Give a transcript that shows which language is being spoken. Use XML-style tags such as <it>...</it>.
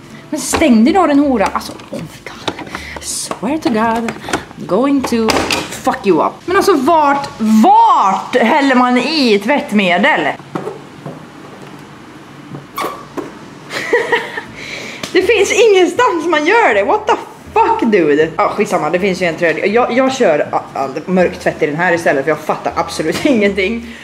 <sv>Men stäng dig då den hora, alltså,</sv> <en>oh my god. Swear to god, I'm going to fuck you up.</en> <sv>Men alltså, vart häller man i tvättmedel? Det finns ingenstans man gör det.</sv> <en>What the fuck, dude?</en> <sv>Ja, skitsamma, det finns ju en tröja. Jag kör mörk tvätt i den här istället för jag fattar absolut ingenting.</sv>